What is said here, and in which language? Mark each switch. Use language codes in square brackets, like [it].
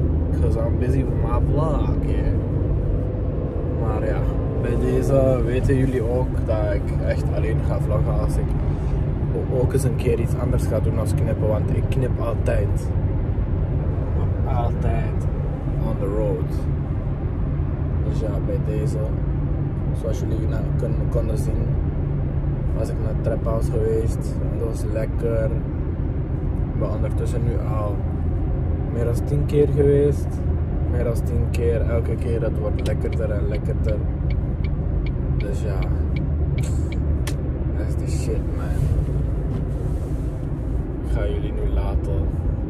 [en] Because I'm busy with my vlog, yeah. [nl] Maar ja, bij deze weten jullie ook dat ik echt alleen ga vloggen als ik ook eens een keer iets anders ga doen als knippen, want ik knip altijd. Altijd [en] on the road. [nl] Dus ja, bij deze, zoals jullie konden zien, was ik naar het trap house geweest. Dat was lekker. Ik ben ondertussen nu al meer dan 10 keer geweest. Meer dan 10 keer, elke keer. Het wordt lekkerder en lekkerder. Dus ja, [en] that's the shit, man. [nl] Ik ga jullie nu laten.